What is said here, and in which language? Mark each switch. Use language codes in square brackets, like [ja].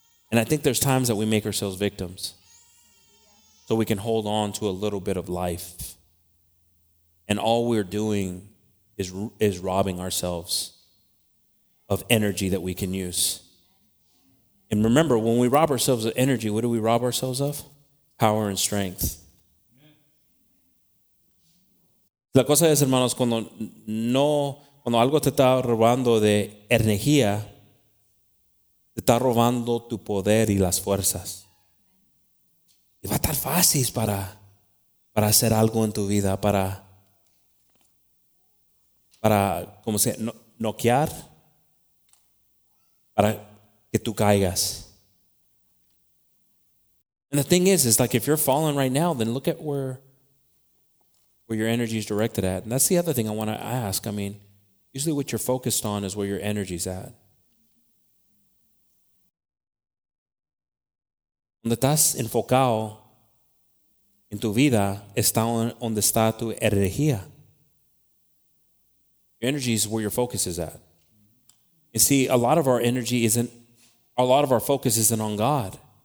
[en] And I think there's times that we make ourselves victims so we can hold on to a little bit of life. And all we're doing is robbing ourselves of energy that we can use. And remember, when we rob ourselves of energy, what do we rob ourselves of? Power and strength. [es] La cosa es, hermanos, cuando no, cuando algo te está robando de energía, te está robando tu poder y las fuerzas. Y va a estar fácil para hacer algo en tu vida, para como sea, noquear, para que tú caigas. [en] And the thing is, it's like if you're falling right now, then look at where your energy is directed at. And that's the other thing I want to ask. I mean, usually what you're focused on is where your energy's at. [es] Donde estás enfocado en tu vida, está donde está tu energía. [en] Your energy is where your focus is at. You see, a lot of our focus isn't on God.